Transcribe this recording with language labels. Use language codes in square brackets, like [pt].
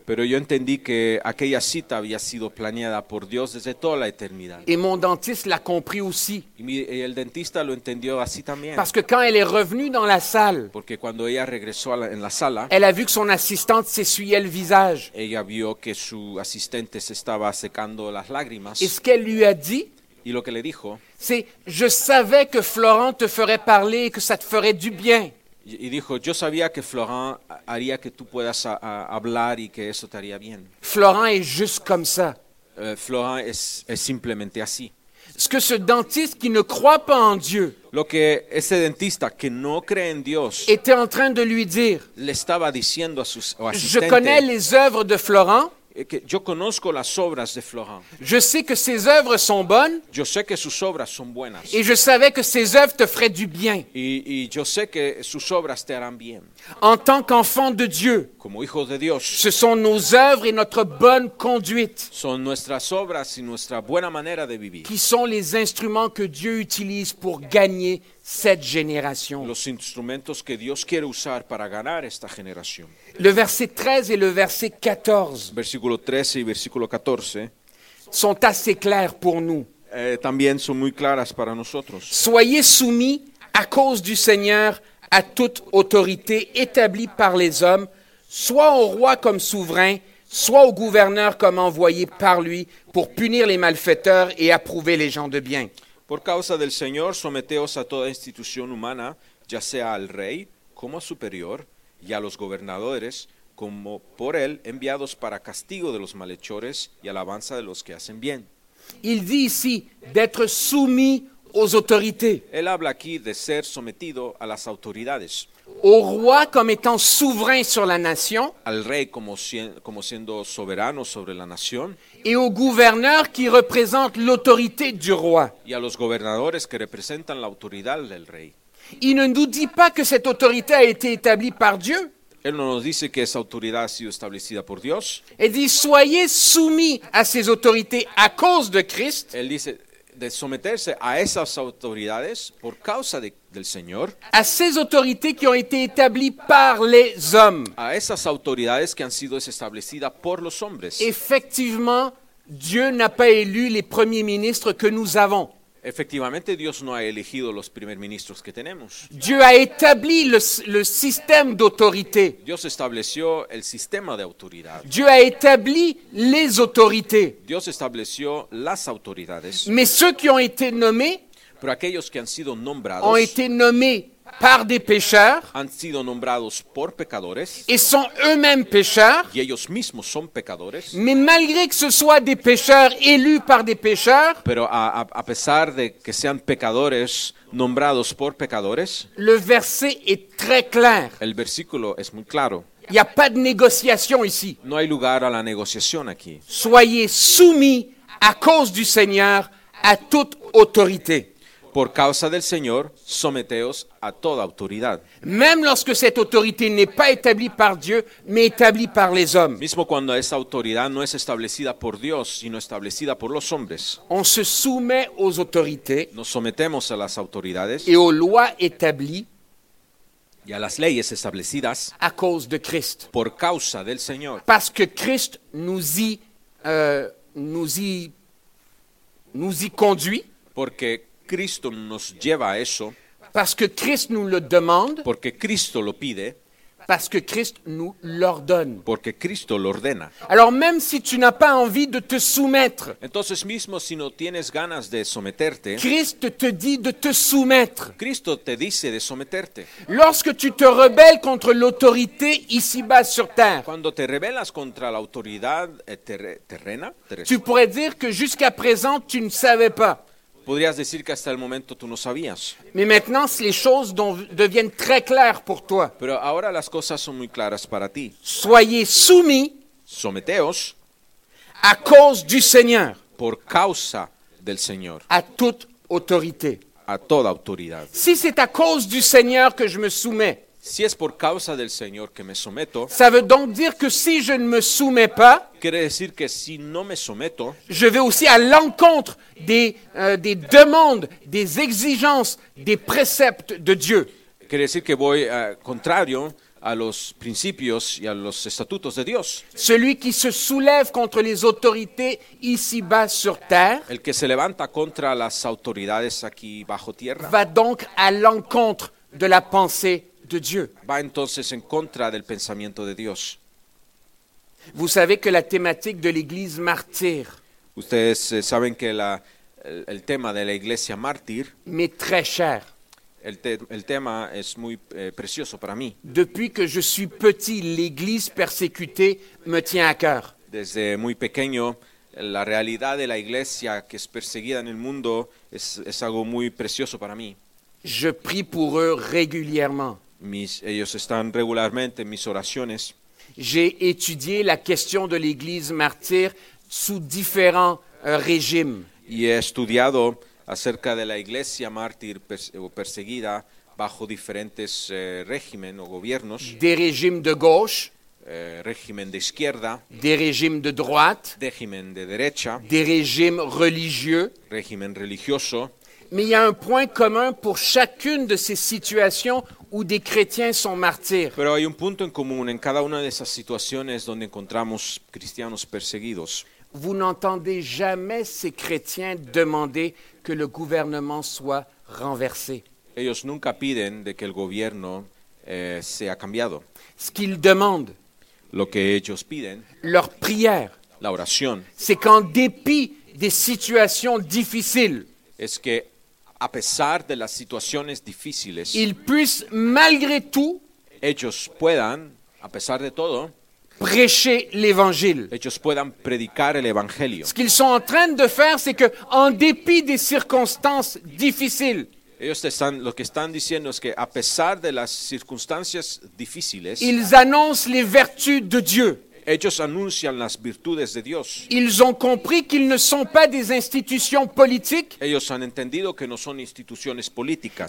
[es] Pero yo entendí que aquella cita había sido planeada por Dios desde toda la eternidad. [fr] Et mon dentiste l'a compris aussi. [es] Y el dentista lo entendió así también. [fr] Parce que quand elle est revenue dans la salle, [es] porque cuando ella regresó en la sala, [fr] elle a vu que son assistante s'essuyait le visage. [es] Ella vio que su asistente se estaba secando las lágrimas. [fr] Et ce qu'elle lui a dit, [es] y lo que le dijo, [fr] c'est je savais que Florent te ferait parler et que ça te ferait du bien. [es] Y dijo, yo sabía que Florent haría que tú puedas a hablar y que eso te haría bien. [fr] Florent est juste comme ça. [es] Florent es simplemente así. [fr] Ce que ce dentiste qui ne croit pas en Dieu. [es] Lo que ese dentista que no cree en Dios. [fr] Était en train de lui dire. [es] Le estaba diciendo a su asistente. [fr] Je connais les œuvres de Florent. [es] Yo conozco las obras de Florent. [fr] Je sais que ses œuvres sont bonnes. [es] Yo sé que sus obras son buenas. [fr] Et je savais que ses œuvres te feraient du bien. [es] Y yo sé que sus obras te harán bien. [fr] En tant qu'enfant de Dieu. [es] Como hijo de Dios. [fr] Ce sont nos œuvres et notre bonne conduite. [es] Son nuestras obras y nuestra buena manera de vivir. [fr] Qui sont les instruments que Dieu utilise pour gagner cette génération. [es] Los instrumentos que Dios quiere usar para ganar esta generación. [fr] Le verset 13 et le verset 14. [es] Versículo 13 y versículo 14 [fr] sont assez clairs pour nous. [es] También son muy claras para nosotros. [fr] Soyez soumis à cause du Seigneur à toute autorité établie par les hommes, soit au roi comme souverain, soit au gouverneur comme envoyé par lui pour punir les malfaiteurs et approuver les gens de bien. [es] Por causa del Señor, someteos a toda institución humana, ya sea al rey como a superior, y a los gobernadores como por él enviados para castigo de los malhechores y alabanza de los que hacen bien. [fr] Il dit ici d'être soumis aux autorités. [es] Él habla aquí de ser sometido a las autoridades. [fr] Au roi comme étant souverain sur la nation. [es] Al rey como siendo soberano sobre la nación. [fr] Et au gouverneur qui représente l'autorité du roi. [es] Y a los gobernadores que representan la autoridad del rey. [fr] Il ne nous dit pas que cette autorité a été établie par Dieu. [es] Él no nos dice que esa autoridad ha sido establecida por Dios. [fr] Il dit soyez soumis à ces autorités à cause de Christ. [es] Él dice de someterse a esas autoridades por causa del Señor. [fr] A ces autorités qui ont été établies par les hommes. [es] A esas autoridades que han sido establecidas por los hombres. [fr] Effectivement, Dieu n'a pas élu les premiers ministres que nous avons. [es] Efectivamente, Dios no ha elegido los primeros ministros que tenemos. [fr] Dieu a établi le système d'autorité. [es] Dios estableció el sistema de autoridad. [fr] Dieu a établi les autorités. [es] Dios estableció las autoridades. [fr] Mais ceux qui ont été nommés, [es] pero aquellos que han sido nombrados, [fr] ont été nommés par des pécheurs, [es] han sido nombrados por pecadores, [fr] et sont eux-mêmes pécheurs, [es] y ellos mismos son pecadores, [fr] mais malgré que ce soit des pécheurs élus par des pécheurs, [es] pero a pesar de que sean pecadores nombrados por pecadores, [fr] le verset est très clair. [es] El versículo es muy claro. [fr] Il n'y a pas de négociation ici. [es] No hay lugar a la negociación aquí. [fr] Soyez soumis à cause du Seigneur à toute autorité. [es] Por causa del Señor, someteos a toda autoridad. [fr] Même lorsque cette autorité n'est pas établie par Dieu, mais établie par les hommes. [es] Mismo cuando esa autoridad no es establecida por Dios, sino establecida por los hombres. [fr] On se soumet aux autorités. [es] Nos sometemos a las autoridades. [fr] Et aux lois établies. [es] Y a las leyes establecidas. [fr] À cause de Christ. [es] Por causa del Señor. [fr] Parce que Christ nous y conduit. [es] Porque Cristo nos lleva a eso. [fr] Parce que Christ nous le demande. [es] Porque Cristo lo pide. [fr] Parce que Christ nous l'ordonne. [es] Porque Cristo lo ordena. [fr] Alors même si tu n'as pas envie de te soumettre. [es] Entonces mismo si no tienes ganas de someterte. [fr] Christ te dit de te soumettre. [es] Cristo te dice de someterte. [fr] Lorsque tu te rebelles contre l'autorité ici-bas sur terre. [es] Cuando te rebelas contra la autoridad terrena. [fr] Tu pourrais dire que jusqu'à présent tu ne savais pas. [es] Podrías decir que hasta el momento tú no sabías. [fr] Mais maintenant, les choses deviennent très claires pour toi. [es] Pero ahora las cosas son muy claras para ti. [fr] Soyez soumis. [es] Someteos. [fr] À cause du Seigneur. [es] Por causa del Señor. [fr] À toute autorité. [es] a toda autoridad. [fr] Si c'est à cause du Seigneur que je me soumets. [es] Si es por causa del Señor que me someto. [fr] Ça veut donc dire que si je ne me soumets pas. [es] Quiere decir que si no me someto. [fr] Je vais aussi à l'encontre des demandes, des exigences, des préceptes de Dieu. [es] Quiere decir que voy contrario a los principios y a los estatutos de Dios. [fr] Celui qui se soulève contre les autorités ici-bas sur terre. [es] El que se levanta contra las autoridades aquí bajo tierra. [fr] Va donc à l'encontre de la pensée de Dieu. [es] Va entonces en contra del pensamiento de Dios. [fr] Vous savez que la thématique de l'Église martyre. [es] Ustedes saben que el tema de la Iglesia mártir. [fr] M'est très cher. [es] El tema es muy precioso para mí. [fr] Depuis que je suis petit, l'Église persécutée me tient à cœur. [es] Desde muy pequeño, la realidad de la Iglesia que es perseguida en el mundo es algo muy precioso para mí. [fr] Je prie pour eux régulièrement. [es] Ellos están regularmente en mis oraciones. [fr] J'ai étudié la question de l'Église martyre sous différents régimes. [es] Y he estudiado acerca de la Iglesia mártir perseguida bajo diferentes regímenes o gobiernos. [fr] Des régimes de gauche. [es] Régimen de izquierda. [fr] Des régimes de droite. [es] Régimen de derecha. [fr] Des régimes religieux. [es] Régimen religioso. [fr] Mais il y a un point commun pour chacune de ces situations où des chrétiens sont martyrs. [es] Pero hay un punto en común en cada una de esas situaciones donde encontramos cristianos perseguidos. [fr] Vous n'entendez jamais ces chrétiens demander que le gouvernement soit renversé. [es] Ellos nunca piden de que el gobierno sea cambiado. [fr] Ce qu'ils demandent, [es] lo que ellos piden, [fr] leur prière, [es] la oración, [fr] c'est qu'en dépit des situations difficiles, [es] es que a pesar de las situaciones difíciles, [fr] ils puissent malgré tout, [es] ellos puedan, a pesar de todo, [fr] prêcher l'évangile. [es] Ellos puedan predicar el evangelio. [fr] Ce qu'ils sont en train de faire, c'est que, en dépit des circonstances difficiles, [es] ellos están, lo que están diciendo es que a pesar de las circunstancias difíciles, [fr] ils annoncent les vertus de Dieu. [es] Ellos anuncian las virtudes de Dios. [fr] Ils ont compris qu'ils ne sont pas des institutions politiques. [es] Ellos han entendido que no son instituciones políticas.